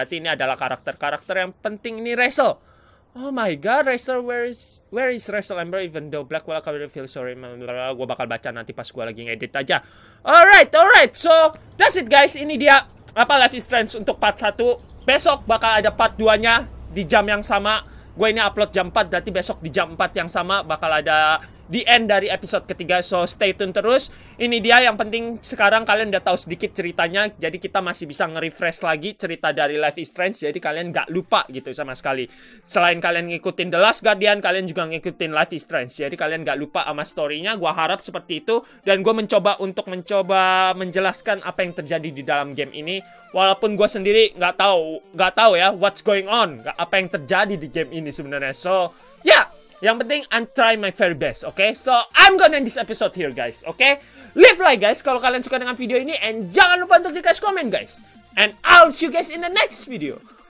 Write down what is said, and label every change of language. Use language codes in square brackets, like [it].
[id] Berarti ini adalah karakter-karakter yang penting. Ini Razel. [en] Oh my god, Razel, where is Razel Amber? Even though Blackwell can't feel sorry, [id] gue bakal baca nanti pas gue lagi ngedit aja. Alright, alright. [en] So, that's it guys. [id] Ini dia apa Life is Strange untuk part 1. Besok bakal ada part 2-nya di jam yang sama. Gue ini upload jam 4, berarti besok di jam 4 yang sama bakal ada the end dari episode ketiga, [en] so stay tune [id] terus. Ini dia yang penting, sekarang kalian udah tahu sedikit ceritanya, jadi kita masih bisa nge-refresh lagi cerita dari Life is Strange, jadi kalian gak lupa gitu sama sekali. Selain kalian ngikutin The Last Guardian, kalian juga ngikutin Life is Strange, jadi kalian gak lupa sama story-nya, gue harap seperti itu. Dan gue mencoba untuk menjelaskan apa yang terjadi di dalam game ini, walaupun gue sendiri gak tahu ya, [en] what's going on, [id] apa yang terjadi di game ini sebenarnya. So, ya! Yeah. Yang penting, [en] I'm trying my very best, okay? So, I'm gonna end this episode here, guys, okay? Leave like, guys, [id] kalau kalian suka dengan video ini. And jangan lupa untuk di kasih komen, guys. [en] And I'll see you guys in the next video.